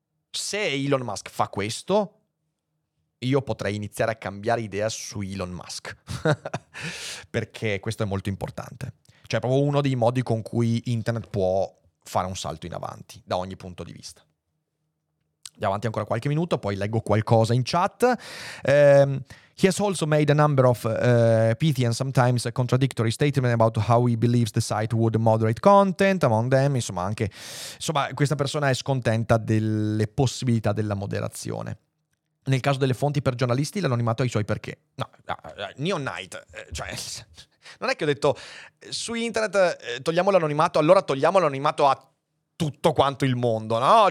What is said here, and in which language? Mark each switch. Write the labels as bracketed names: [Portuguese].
[Italian] Se Elon Musk fa questo, io potrei iniziare a cambiare idea su Elon Musk, perché questo è molto importante. Cioè, è proprio uno dei modi con cui internet può fare un salto in avanti, da ogni punto di vista. Andiamo avanti ancora qualche minuto, poi leggo qualcosa in chat. [English] He has also made a number of pithy and sometimes contradictory statements about how he believes the site would moderate content, among them. [Italian] Insomma, questa persona è scontenta delle possibilità della moderazione. Nel caso delle fonti per giornalisti, l'anonimato ha i suoi perché. Neon Knight, cioè, non è che ho detto su internet togliamo l'anonimato, allora togliamo l'anonimato a tutto quanto il mondo, no?